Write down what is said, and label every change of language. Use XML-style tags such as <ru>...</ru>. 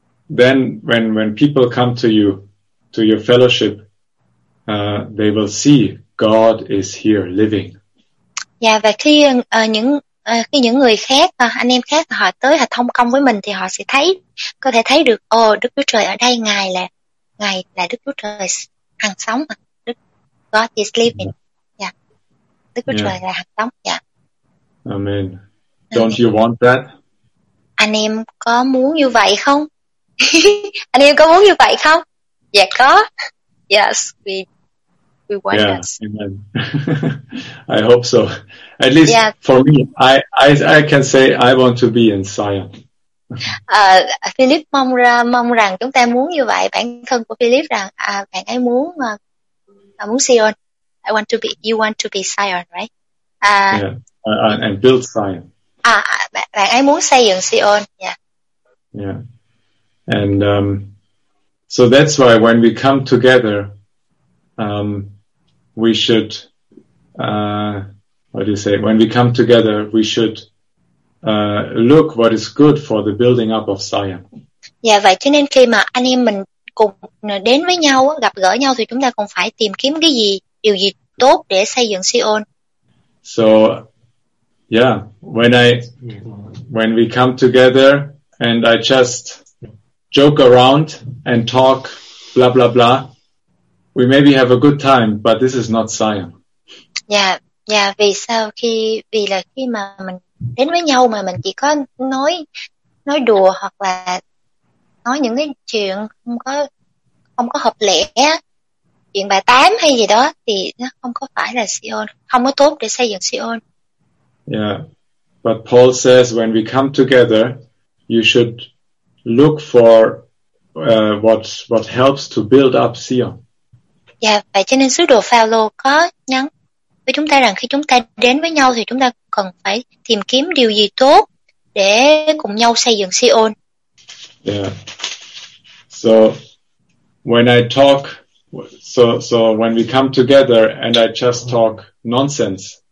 <en>Then when people come to you, to your fellowship, they will see God is here living.</en> <vi>Yeah, và khi những người khác, anh em khác họ tới họ thông công với mình thì họ sẽ thấy, có thể thấy được, Đức Chúa Trời ở đây, Ngài là Đức Chúa Trời hằng sống.</vi> <en>God is living. Yeah.</en> <vi>Đức Chúa Trời là hằng sống.</vi> <en>Yeah. Amen. Don't you want that?</en> <vi>Anh em có muốn như vậy không? Anh em có muốn như vậy không? Dạ có.</vi> <en>Yes, we want us. Amen. I hope so. At least for me, I can say I want to be in Zion.</en> <vi>Philip mong rằng chúng ta muốn như vậy. Bản thân của Philip rằng bạn ấy muốn Zion.</vi> <en>I want to be. You want to be Zion, right? And build Zion.</en> <vi>Bạn ấy muốn xây dựng Zion.</vi> <en>And so that's why when we come together, we should what do you say, when we come together, we should look what is good for the building up of Zion.</en> <vi>Dạ vậy cho nên khi mà anh em mình cùng đến với nhau, gặp gỡ nhau thì chúng ta cũng phải tìm kiếm cái gì, điều gì tốt để xây dựng Zion.</vi> <en>So, yeah, when we come together and I just joke around and talk blah blah blah, we maybe have a good time, but this is not Zion. Yeah, yeah.</en> <vi>Vì sao khi vì là khi mà mình đến với nhau mà mình chỉ có nói đùa hoặc là nói những cái chuyện không có hợp lẽ, chuyện bài tám hay gì đó thì nó không có phải là Zion, không có tốt để xây dựng Zion.</vi> <en>Yeah, but Paul says when we come together, you should look for what helps to build up Zion.</en> <vi>Dạ, vậy cho nên sứ đồ Phao-lô có nhắn với chúng ta rằng khi chúng ta đến với nhau thì chúng ta cần phải tìm kiếm điều gì tốt để cùng nhau xây dựng Zion.</vi> <en>Yeah. So when I talk, so when we come together and I just talk nonsense.</en>